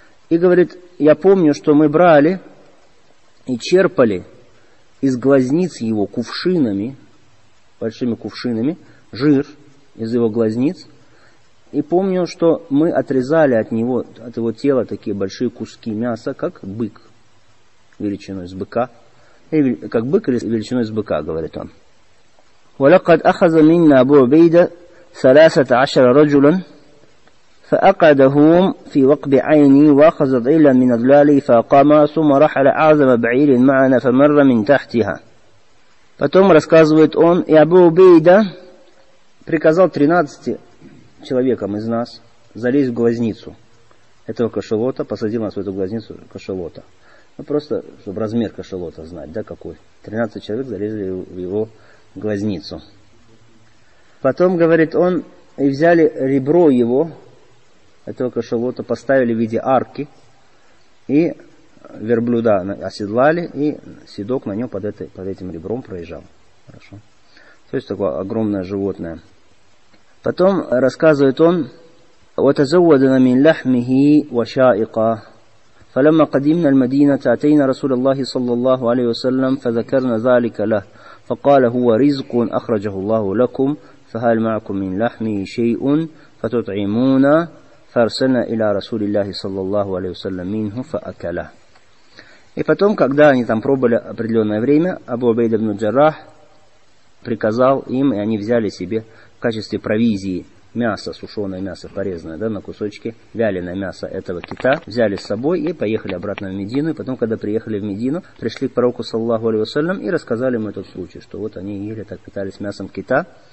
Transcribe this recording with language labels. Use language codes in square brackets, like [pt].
[ru] И говорит, я помню, что мы брали и черпали из глазниц его кувшинами, большими кувшинами, жир из его глазниц. И помню, что мы отрезали от него, от его тела такие большие куски мяса, как бык, величиной с быка. Как бык или величиной с быка, говорит он. [ar] وَلَقَدْ أَخَذَ مِنَّا أَبُو عُبَيْدَ ثَلَاثَةَ عَشَرَ رَجُلًا فأقعدهم في وقب عيني وأخذ ضئيلا من أضلالي فأقام ثم رحل أعظم بعير معنا فمر من تحتها. [ru] Потом рассказывает он, и Абу Убейда приказал 13 человекам из нас залезть в глазницу этого кашалота, посадил нас в эту глазницу кашалота. Ну просто, чтобы размер кашалота знать, да, какой. 13 человек залезли в его глазницу. Потом, говорит он, и взяли ребро его, этого кашалота, поставили в виде арки, и верблюда оседлали, и седок на нем под этим ребром проезжал. Хорошо. То есть такое огромное животное. Потом рассказывает он, [ar] وَتَزَوَّدَنَا مِنْ لَحْمِهِ وَشَائِقَ فَلَمَّا قَدِمْنَا الْمَدِينَةَ أَتَيْنَا رَسُولَ اللَّهِ صَلَّى اللَّهُ عَلَيْهِ وَسَلَّمْ فَذَكَرْنَا ذَلِكَ لَهُ فَقَالَ هُوَ رِزْقٌ أَخْرَجَهُ اللَّهُ لَكُمْ فَهَلْ مَعَكُمْ مِنْ لَحْمِهِ شَيْءٌ فَتُطْعِمُونَ فَرْسَلْنَا إِلَى رَسُولِ اللَّهِ صَلَّى اللَّهُ عَلَيْهُ وَسَلَّمْ مِنْهُ فَأَكَلَ. [ru] И потом, когда они там пробовали определенное время, Абу Убейда ибн аль-Джаррах приказал им, и они взяли себе в качестве провизии мясо, сушеное мясо, порезанное, да, на кусочки, вяленое мясо этого кита, взяли с собой и поехали обратно в Медину. И потом, когда приехали в Медину, пришли к пророку, саллаллаху алейхи ва саллям, и рассказали им этот случай, что вот они ели так, питались мясом кита.